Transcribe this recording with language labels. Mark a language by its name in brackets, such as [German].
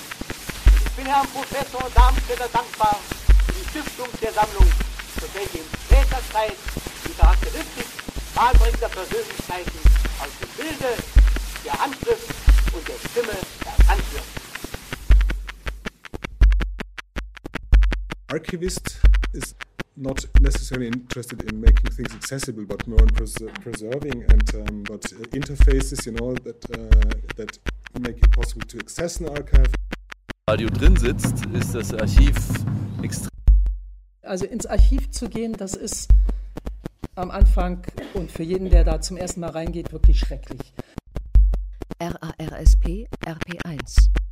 [German] Und ich bin Herrn Professor Darmstädter dankbar für die Stiftung der Sammlung, zu welche in später Zeit die Charakteristik wahlbringender Persönlichkeiten aus dem Bilde, der Handschrift und der Stimme erkannt wird. [English] Archivist is not necessarily interested in making things accessible, but more in preserving and but interfaces, you know, that make it possible to access an archive. [German] Radio drin sitzt, ist das Archiv extrem. Also ins Archiv zu gehen, das ist am Anfang und für jeden, der da zum ersten Mal reingeht, wirklich schrecklich. RARSP RP1.